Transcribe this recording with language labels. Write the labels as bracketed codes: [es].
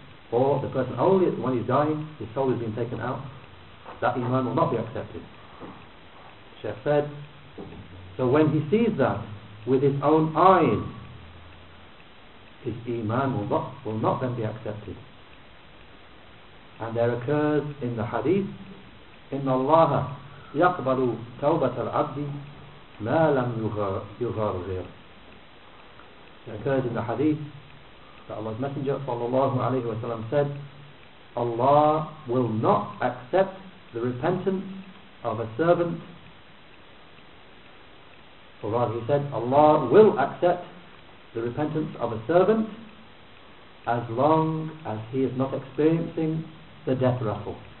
[en] Or the person only when he's dying, his soul is being taken out, that iman will not be accepted. Sheikh said, so when he sees that with his own eyes, his iman will not then be accepted. [ar] And there occurs in the hadith, إِنَّ اللَّهَ يَقْبَلُ تَوْبَةَ الْعَبْدِ مَا لَمْ يُغَرْغِرْ. [en] There occurs in the hadith that Allah's Messenger sallallahu alayhi wa sallam said, Allah will not accept the repentance of a servant. Or rather, he said, Allah will accept the repentance of a servant as long as he is not experiencing the death rattle.